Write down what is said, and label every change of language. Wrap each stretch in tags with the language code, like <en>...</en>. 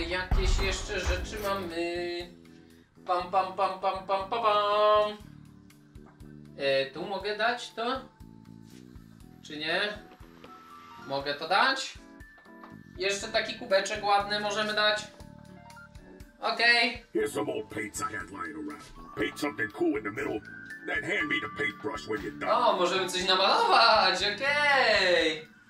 <pl>Jakieś jeszcze rzeczy mamy. Pam pam pam pam pam pam pam. Tu mogę dać to? Czy nie? Mogę to dać? Jeszcze taki kubeczek ładny możemy dać. Okej.</pl> <en>Here's some old paints I had lying around. Paint something cool in the middle, then hand me the paintbrush when you're done.</en> <pl>O, możemy coś namalować, okej.</pl>